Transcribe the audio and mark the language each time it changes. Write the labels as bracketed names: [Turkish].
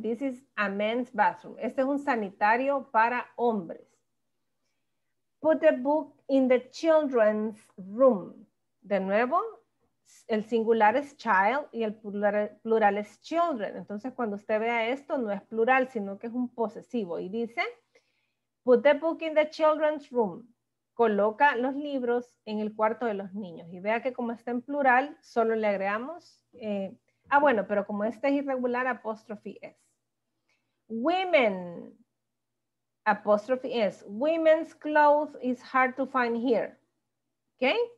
[English] This is a men's bathroom. [Spanish] Este es un sanitario para hombres. [English] Put the book in the children's room. [Spanish] De nuevo, el singular es child y el plural es children. Entonces, cuando usted vea esto, no es plural, sino que es un posesivo. Y dice, [English] put the book in the children's room. [Spanish] Coloca los libros en el cuarto de los niños. Y vea que como está en plural, solo le agregamos. Bueno, pero como este es irregular, apóstrofe es. Women, apóstrofe es. [English] Women's clothes is hard to find here. ¿Ok?